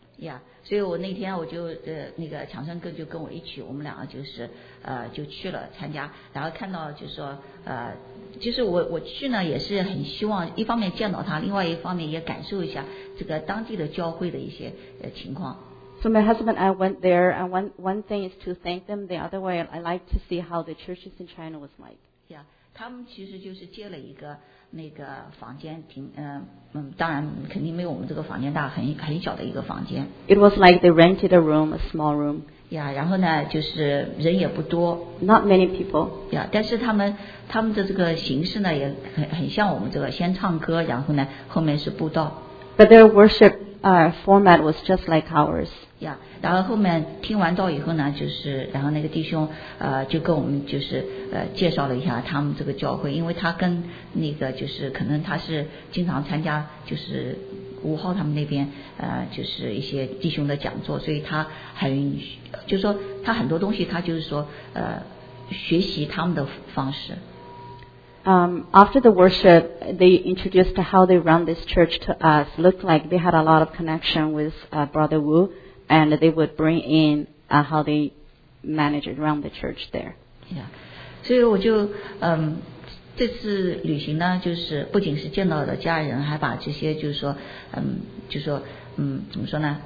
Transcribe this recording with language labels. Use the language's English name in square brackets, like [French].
[Chinese] Yeah, 所以我那天我就那个强生哥就跟我一起，我们两个就是就去了参加，然后看到就是说就是我去呢也是很希望一方面见到他，另外一方面也感受一下这个当地的教会的一些情况。 [English] So my husband and I went there, and one thing is to thank them. The other way, I like to see how the churches in China was like. Yeah. [Chinese] 他们其实就是借了一个那个房间挺当然肯定没有我们这个房间大很小的一个房间 [English] It was like they rented a room, a small room [Chinese] Yeah, 然后呢就是人也不多 [English] Not many people [Chinese] Yeah, 但是他们的这个形式呢也很像我们这个先唱歌然后呢后面是布道 [English] But their worship format was just like ours [Chinese] Yeah, 然后后面听完道以后呢就是然后那个弟兄就跟我们就是介绍了一下他们这个教会因为他跟那个就是可能他是经常参加就是五号他们那边就是一些弟兄的讲座所以他很就是说他很多东西他就是说学习他们的方式 [English] After the worship, they introduced how they run this church to us. Looked like they had a lot of connection with Brother Wu, and they would bring in how they manage and run the church there. Yeah. [Chinese] 所以我就这次旅行呢，就是不仅是见到了家人，还把这些就是说怎么说呢？